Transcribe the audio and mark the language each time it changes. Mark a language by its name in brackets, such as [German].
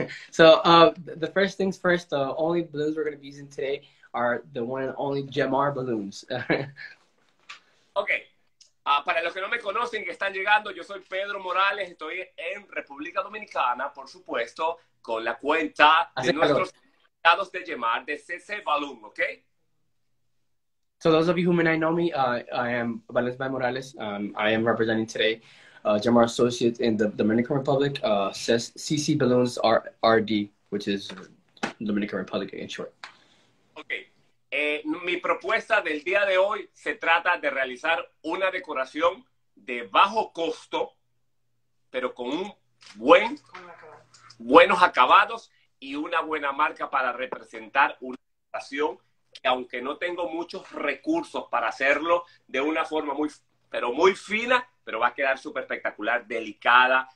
[English] So, the first things first, the only balloons we're going to be using today are the one and only Jamar balloons. Ok. [Spanish] Para los que no me conocen, que están llegando, yo soy Pedro Morales, estoy en República Dominicana, por supuesto, con la cuenta de nuestros invitados de Jamar, de CC Balloon, ¿ok? [English] So those of you who may not know me, I am Valencia Morales. I am representing today Jamar Associates in the Dominican Republic. CC Balloons are RD, which is Dominican Republic in short. Ok. [Spanish] Mi propuesta del día de hoy se trata de realizar una decoración de bajo costo, pero con un buenos acabados y una buena marca para representar una decoración que aunque no tengo muchos recursos para hacerlo de una forma muy fina, pero va a quedar súper espectacular, delicada.